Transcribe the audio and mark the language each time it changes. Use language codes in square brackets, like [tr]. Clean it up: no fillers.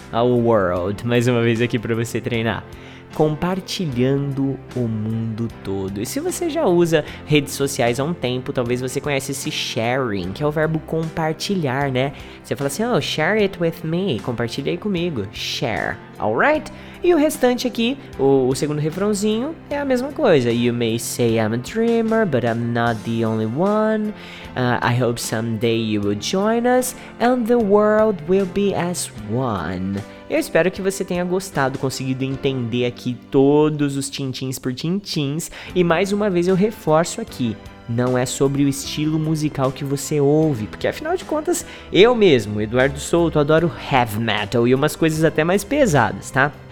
[pt] All world, mais uma vez aqui pra você treinar. Compartilhando o mundo todo. E se você já usa redes sociais há um tempo, talvez você conheça esse sharing, que é o verbo compartilhar, né? Você fala assim, oh, [en] share it with me. [pt] Compartilhe aí comigo. Share. Alright? E o restante aqui, o segundo refrãozinho, é a mesma coisa. [en] You may say I'm a dreamer, but I'm not the only one. I hope someday you will join us and the world will be as one. [pt] Eu espero que você tenha gostado, conseguido entender aqui todos os tintins por tintins. E mais uma vez eu reforço aqui. Não é sobre o estilo musical que você ouve, porque afinal de contas, eu mesmo, Eduardo Souto, adoro heavy metal e umas coisas até mais pesadas, tá?